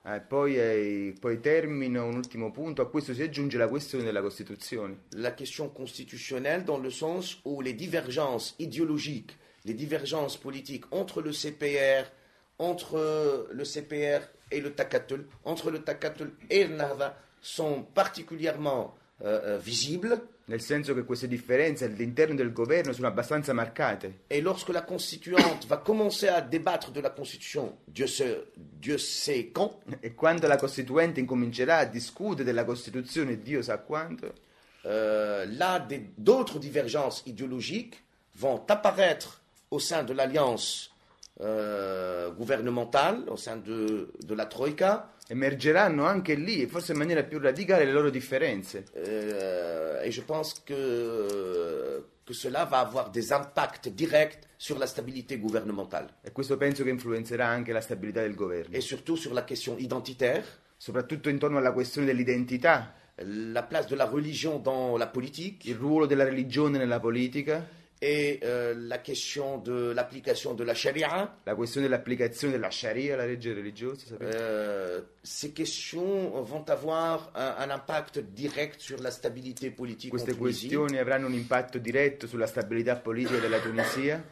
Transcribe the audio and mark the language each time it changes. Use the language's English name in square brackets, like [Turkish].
[Italian] Poi termino un ultimo punto, a questo si aggiunge la questione della Costituzione. [French] La question constitutionnelle dans le sens où les divergences idéologiques, les divergences politiques entre le CPR et le Takatul, entre le Takatul et le Nava sont particulièrement visibles. [Italian] Nel senso che queste differenze all'interno del governo sono abbastanza marcate. [French] Et lorsque la Costituante va commencer à débattre de la Constitution, Dieu sait quand. [Italian] E quando la Costituente incomincerà a discutere della Costituzione, Dio sa quando. [French] Là, d'autres divergences idéologiques vont apparaître au sein de l'alliance gouvernementale, au sein de la Troïka. [Italian] Emergeranno anche lì, forse in maniera più radicale, le loro differenze. [French] Et je pense que cela va avoir des impacts directs sur la stabilité gouvernementale. [Italian] E questo penso che influenzerà anche la stabilità del governo. [French] Et surtout sur la question identitaire. [Italian] Soprattutto intorno alla questione dell'identità. [French] La place de la religion dans la politique. [Italian] Il ruolo della religione nella politica. [French] Et la question de l'application de la sharia. La question de l'application de la sharia, [Italian] la legge religiosa. [French] Ces questions vont avoir un impact direct sur la stabilité politique. [Italian] Queste questioni avranno un impatto diretto sulla stabilità politica della Tunisia.